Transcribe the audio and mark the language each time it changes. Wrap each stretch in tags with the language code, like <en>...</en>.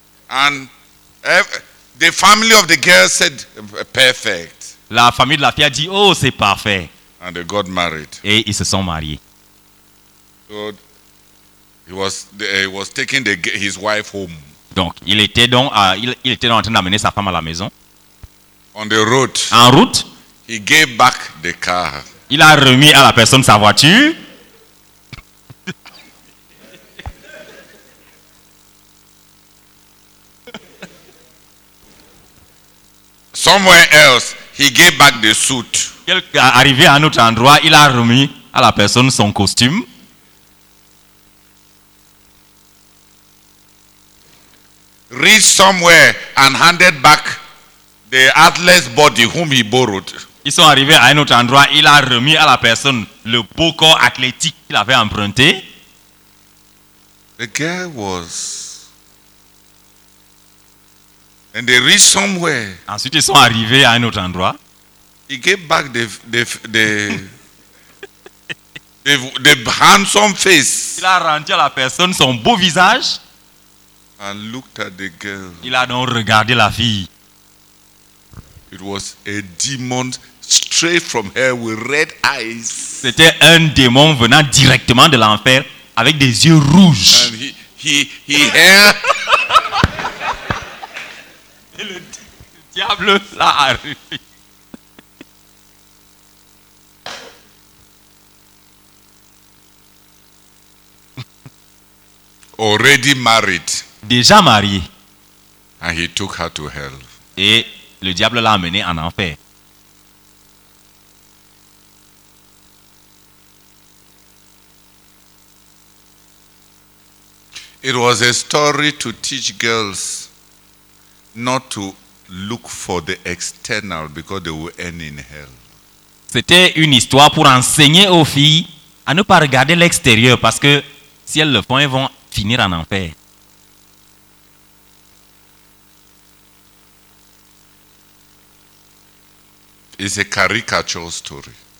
<en>And the family of the girl said perfect.</en> <fr>La famille de la fille a dit oh c'est parfait.</fr> <en>And they got married.</en> <fr>Et ils se sont mariés.</fr> <en>So he was taking his wife home.</en> <fr>Donc il était donc en train d'amener sa femme à la maison.</fr> <en>On the road.</en> <fr>En route.</fr> <en>He gave back the car.</en> <fr>Il a remis à la personne sa voiture.</fr> <en>Somewhere else, he gave back the suit.</en> <fr>Arrivé à un autre endroit, il a remis à la personne son costume.</fr> <en>Reached somewhere and handed back the athlete's body whom he borrowed.</en> <fr>Ils sont arrivés à un autre endroit, il a remis à la personne le beau corps athlétique qu'il avait emprunté.</fr> <en>The girl was... And they reached somewhere.</en> <fr>Ensuite, ils sont arrivés à un autre endroit.</fr> <en>He gave back the handsome face.</en> <fr>Il a rendu à la personne son beau visage.</fr> <en>And looked at the girl.</en> <fr>Il a donc regardé la fille.</fr> <en>It was a demon straight from hell with red eyes.</en> <fr>C'était un démon venant directement de l'enfer avec des yeux rouges.</fr> <en>And he</en> <fr>Diable l'a arrivé.</fr> <en>Already married.</en> <fr>Déjà marié.</fr> <en>And he took her to hell.</en> <fr>Et le diable l'a amené en enfer.</fr> <en>It was a story to teach girls not to look for the external because they will end in hell.</en> <fr>C'était une histoire pour enseigner aux filles à ne pas regarder l'extérieur parce que si elles le font, elles vont finir en enfer.</fr> <en>It's a caricature story.</en>